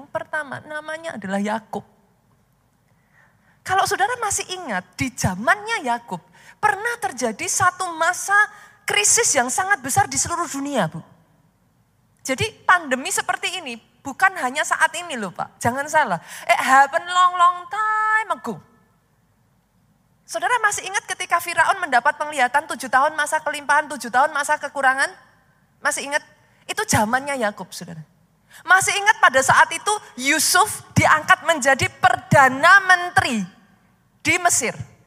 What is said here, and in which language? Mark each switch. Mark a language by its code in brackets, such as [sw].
[id] Yang pertama, namanya adalah Yakub. Kalau saudara masih ingat, di zamannya Yakub, pernah terjadi satu masa krisis yang sangat besar di seluruh dunia, Bu. Jadi pandemi seperti ini, bukan hanya saat ini loh, Pak. Jangan salah. [en] It happened long, long time ago. [id] Saudara masih ingat ketika Firaun mendapat penglihatan 7 tahun masa kelimpahan, 7 tahun masa kekurangan? Masih ingat? Itu zamannya Yakub, saudara. Masih ingat pada saat itu Yusuf diangkat menjadi Perdana Menteri di Mesir.